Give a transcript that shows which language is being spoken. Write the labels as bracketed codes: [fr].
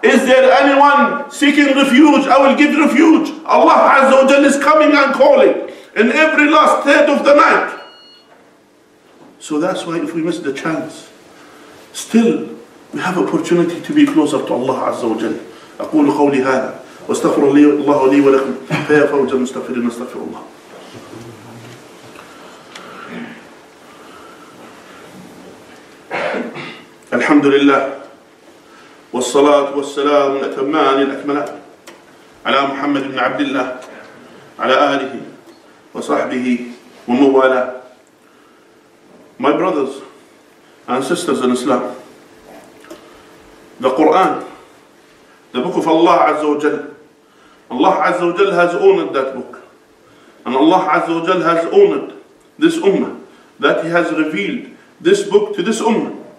[en] Is there anyone seeking refuge? I will give refuge. Allah Azza wa Jal is coming and calling in every last third of the night. So that's why if we miss the chance, still we have opportunity to be closer to Allah Azza wa Jal. [ar] أقول قولي هذا واستغفر الله لي ولكم فيا فوج المستغفرين استغفر الله. الحمد لله والصلاة والسلام الأتمان الأكملان على محمد بن عبد الله على آله وصحبه وموالاه. [en] My brothers and sisters in Islam, the Quran, the book of Allah Azza wa Jal, Allah Azza wa Jal has owned that book. And Allah Azza wa Jal has owned this ummah, that he has revealed this book to this ummah.